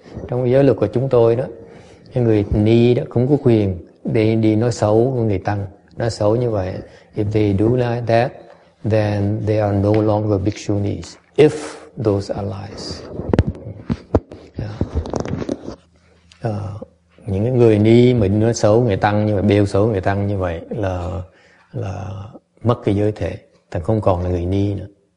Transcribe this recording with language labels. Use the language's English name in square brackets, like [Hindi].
[Vietnamese] Trong giới luật của chúng tôi đó, người ni đó không có quyền đi nói xấu người tăng, nói xấu như vậy. [English] If they do like that, then they are no longer bhikshu nis, if those are lies. [Vietnamese] Những người ni mà nói xấu người tăng như vậy, bêu xấu người tăng như vậy là mất cái giới thể, thành không còn là người ni nữa.